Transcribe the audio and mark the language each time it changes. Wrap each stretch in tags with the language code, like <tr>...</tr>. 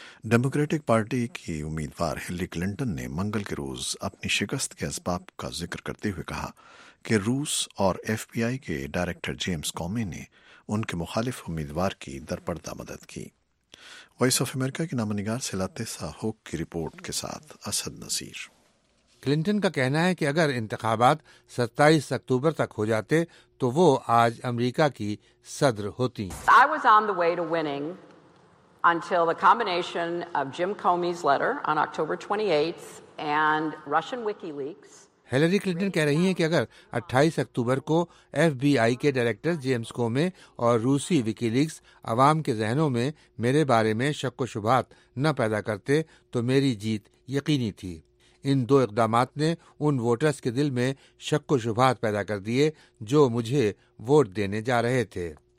<ur>Democratic party کی امیدوار Hillary Clinton نے منگل کے روز اپنی شکست کے اسباب کا ذکر کرتے ہوئے کہا کہ روس اور ایف بی آئی کے ڈائریکٹر جیمز کومی نے ان کے مخالف امیدوار کی درپردہ مدد کی. وائس آف امریکہ کی نامہ نگار سلاتسا ہوک کی رپورٹ کے ساتھ اسد نصیر. کلنٹن کا کہنا ہے کہ اگر انتخابات 27 اکتوبر تک ہو جاتے تو وہ آج امریکہ کی صدر ہوتی.</ur> <en>I was on the way to winning until the combination of Jim Comey's letter on October 28th and Russian WikiLeaks.</en> <ur>Hillary Clinton کہہ رہی ہیں کہ اگر 28 اکتوبر کو ایف بی آئی کے ڈائریکٹر جیمز کومے اور روسی وکی لیکس عوام کے ذہنوں میں میرے بارے میں شک و شبہات نہ پیدا کرتے تو میری جیت یقینی تھی. ان دو اقدامات نے ان ووٹرز کے دل میں شک و شبہات پیدا کر دیے جو مجھے ووٹ دینے جا رہے تھے.</ur>